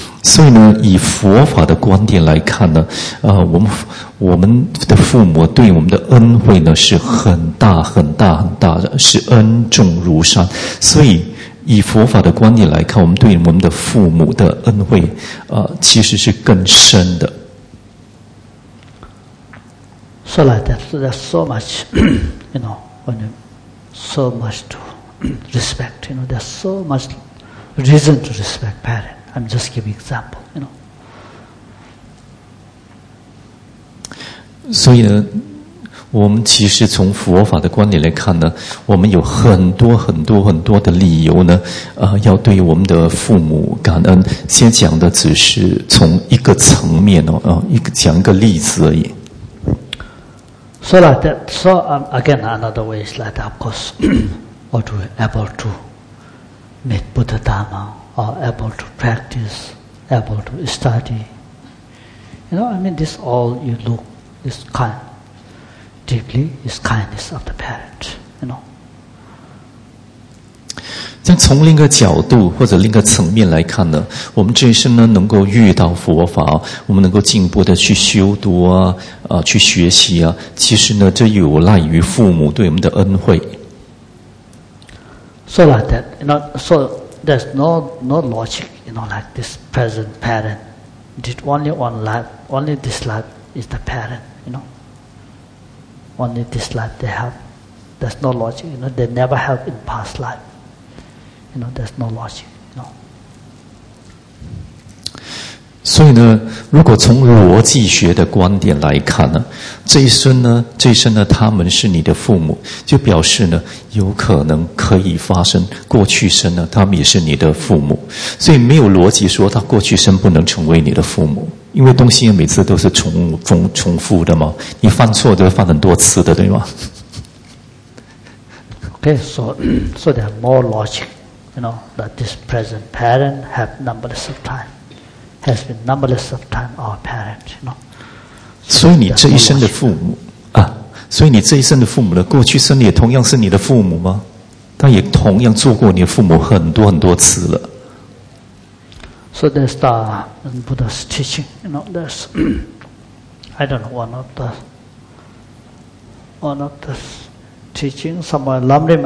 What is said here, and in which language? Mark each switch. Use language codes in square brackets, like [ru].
[zh] 所以呢，以佛法的观点来看呢，我们的父母对我们的恩惠呢是很大很大很大的，是恩重如山。所以以佛法的观点来看，我们对我们的父母的恩惠，其实是更深的。 [en] So like that, so there's so much, you know, when you, so much to respect. You know, there's so much reason to respect parents. I'm just giving example, you know. [zh] 所以呢，我们其实从佛法的观点来看呢，我们有很多很多很多的理由呢，要对我们的父母感恩。先讲的只是从一个层面哦，讲一个例子而已。 [en] So like that. So again, another way is like that. Of course, what we able to meet Buddha Dharma. Are able to practice, able to study. You know, I mean, this all you look, this kind, deeply is kindness of the parent, you know. [zh] 像从另一个角度或者另一个层面来看呢，我们这一生呢能够遇到佛法，我们能够进一步的去修读去学习啊，其实呢这有赖于父母对我们的恩惠。 [en] So like that, you know, so,There's no logic, you know, like this present parent did only one life, only this life is the parent, you know. Only this life they have. There's no logic, you know, they never have in past life. You know, there's no logic, you know. [zh] 所以呢，如果从逻辑学的观点来看呢，这一生呢，他们是你的父母，就表示呢，有可能可以发生过去生呢，他们也是你的父母，所以没有逻辑说他过去生不能成为你的父母，因为东西每次都是重复的嘛，你犯错都犯很多次的，对吗 [en] ？Okay, so there are more logic, you know, that this present parent have numberless of time. Has been numberless of time our parent, you know. [zh] So, 所以你这一生的父母啊，所以你这一生的父母呢，过去生也同样是你的父母吗？他也同样做过你的父母很多很多次了。 [en] So there's the Buddha's teaching, you know. There's I don't know one of the teaching somewhere Lamrim.